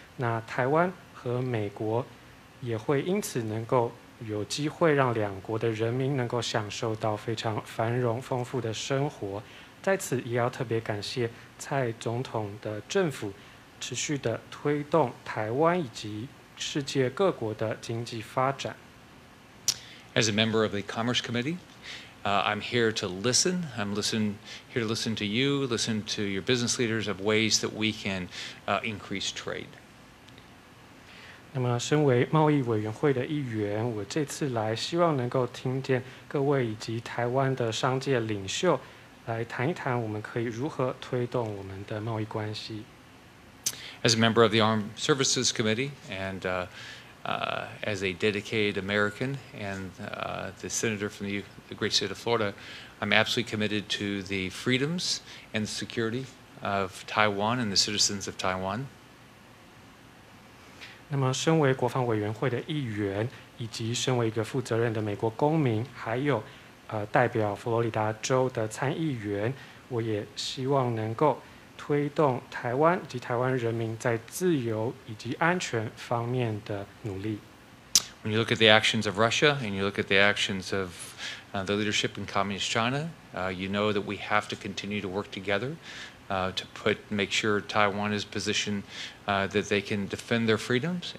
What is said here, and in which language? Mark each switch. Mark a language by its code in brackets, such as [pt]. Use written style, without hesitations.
[zh] 那台湾和美国也会因此能够有机会让两国的人民能够享受到非常繁荣丰富的生活。在此也要特别感谢蔡总统的政府持续的推动台湾以及世界各国的经济发展。 [en] As a member of the Commerce Committee, I'm here to listen. I'm here to listen to you, listen to your business leaders of ways that we can increase trade. [zh] 那么身为贸易委员会的一员，我这次来希望能够听见各位以及台湾的商界领袖来谈一谈我们可以如何推动我们的贸易关系。 [en] As a member of the Armed Services Committee and as a dedicated American and the senator from the great state of Florida, I'm absolutely committed to the freedoms and the security of Taiwan and the citizens of Taiwan. [zh] 那么身为国防委员会的一员，以及身为一个负责任的美国公民，还有代表佛罗里达州的参议员，我也希望能够推动台湾及台湾人民在自由以及安全方面的努力。 [en] When you look at the actions of Russia and you look at the actions of the leadership in Communist China, you know that we have to continue to work together to make sure Taiwan is positioned that they can defend their freedoms.